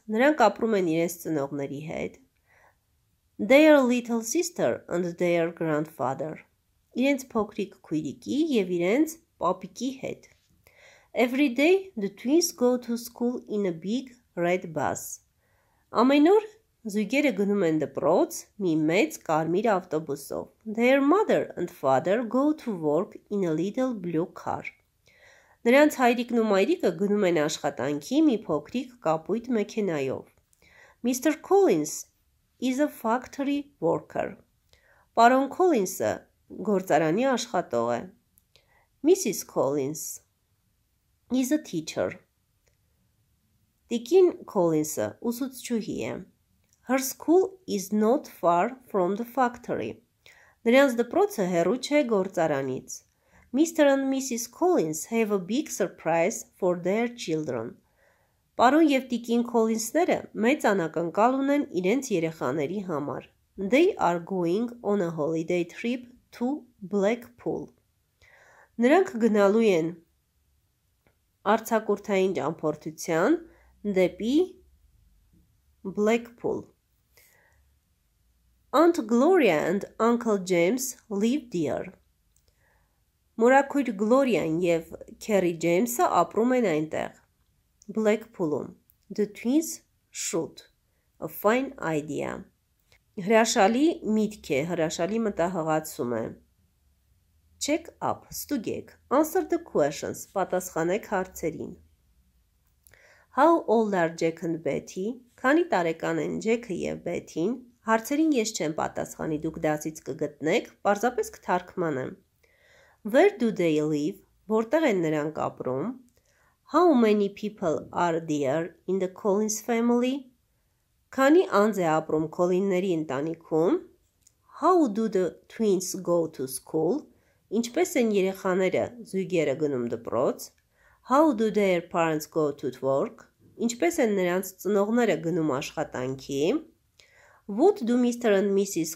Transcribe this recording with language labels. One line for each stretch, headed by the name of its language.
Armenian: Նրանք ապրում են իրենց ծնողների հետ.
English: Their little sister and their grandfather.
Armenian: Իրենց փոքրիկ քույրիկի և իրենց պապիկի հետ.
English: Every day the twins go to school in a big red bus.
Armenian: Ամեն օր զույգերը գնում են դպրոց մի մեծ կարմիր ավտոբուսով.
English: Their mother and father go to work in a little blue car.
Armenian: Նրանց հայրիկն ու մայրիկը գնում են աշխատանքի մի փոքրիկ կապույտ մեքենայով.
English: Mr. Collins is a factory worker.
Armenian: Պարոն Քոլինսը գործարանի աշխատող է. Mrs.
English: Collins is a teacher.
Armenian: Տիկին Քոլինսը ուսուցչուհի է.
English: Her school is not far from the factory.
Armenian: Նրանց դպրոցը հեռու չէ գործարանից.
English: Mr. and Mrs. Collins have a big surprise for their children.
Armenian: Պարոն և տիկին Քոլինսները մեծ ակնկալ ունեն իրենց երեխաների համար.
English: They are going on a holiday trip to Blackpool.
Armenian: Նրանք գնալու են արձակուրդային ճամփորդության դեպի Blackpool.
English: Aunt Gloria and Uncle James live there.
Armenian: Մորաքույր Gloria-ն և Kerry James-ը ապրում են այնտեղ, Blackpool-ում.
English: The twins should. A fine idea.
Armenian: Հրաշալի միտք է, հրաշալի մտահղացում է.
English: Check up,
Armenian: ստուգեք.
English: Answer the questions,
Armenian: պատասխանեք հարցերին.
English: How old are Jack and Betty?
Armenian: Քանի տարեկան են Jack-ը և Betty-ն? Հարցերին ես չեմ պատասխանի, դուք դասից կգտնեք, պարզապես կթարգմանեմ.
English: Where do they live?
Armenian: Որտեղ են նրանք ապրում?
English: How many people are there in the Collins family?
Armenian: Քանի անձ է ապրում Քոլինների ընտանիքում?
English: How do the twins go to school?
Armenian: Ինչպես են երեխաները զույգերը գնում դպրոց? How do their parents go to work? Ինչպես են նրանց ծնողները գնում աշխատանքի?
English: What do Mr. and Mrs.